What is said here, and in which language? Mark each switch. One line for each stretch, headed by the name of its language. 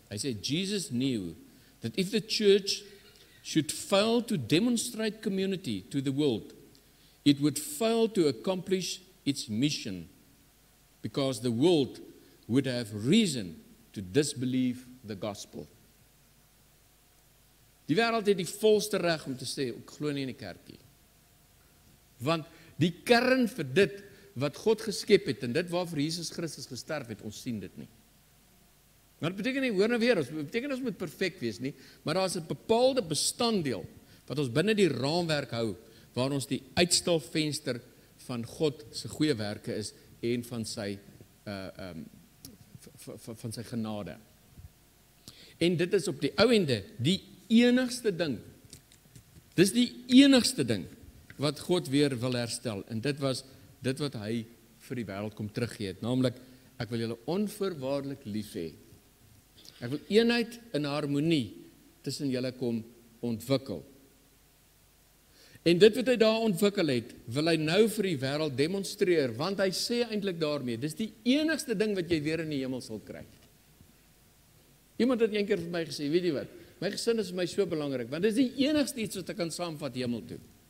Afrikaans: Hy sê,
English: Jesus knew that if the church should fail to demonstrate community to the world, it would fail to accomplish its mission because the world would have reason to disbelieve the gospel.
Afrikaans: Die wêreld het die volste reg om te sê, ek glo nie in die kerkie. Want die kern vir dit wat God geskep het en dit waarvoor Jesus Christus gesterf het, ons sien dit nie. Maar dit beteken nie, hoor nou weer, dit beteken ons moet perfek wees nie, maar daar is 'n bepaalde bestanddeel wat ons binnen die raamwerk hou, waar ons die uitstalvenster van God se goeie werke is en van sy van sy genade. En dit is op die ouende die enigste ding. Dis die enigste ding wat God weer wil herstel en dit was dit wat hy vir die wêreld kom teruggee het, naamlik ek wil julle onvoorwaardelik lief hê. Ek wil eenheid en harmonie tussen julle kom ontwikkel. En dit wat hy daar ontwikkel het, wil hy nou vir die wêreld demonstreer, want hy sê eintlik daarmee, dis die enigste ding wat jy weer in die hemel sal kry. Iemand het een keer vir my gesê, weet jy wat, my gesin is vir my so belangrik, want dis die enigste iets wat ek kan saamvat hemel toe.